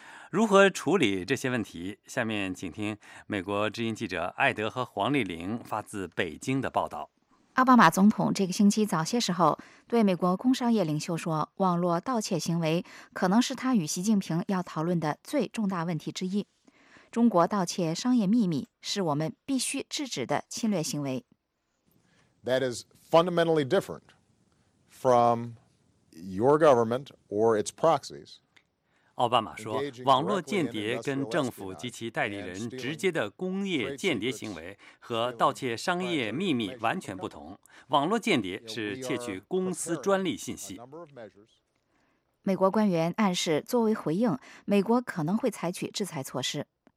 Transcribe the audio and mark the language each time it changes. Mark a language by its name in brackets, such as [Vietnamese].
[Chinese] 如何处理这些问题，下面请听美国之音记者艾德和黄丽玲发自北京的报道。奥巴马总统这个星期早些时候对美国工商业领袖说，网络盗窃行为可能是他与习近平要讨论的最重大问题之一。中国盗窃商业秘密是我们必须制止的侵略行为。 [English] That is fundamentally different from your government or its proxies. [Chinese] 奥巴马说，网络间谍跟政府及其代理人直接的工业间谍行为和盗窃商业秘密完全不同。网络间谍是窃取公司专利信息。美国官员暗示，作为回应，美国可能会采取制裁措施。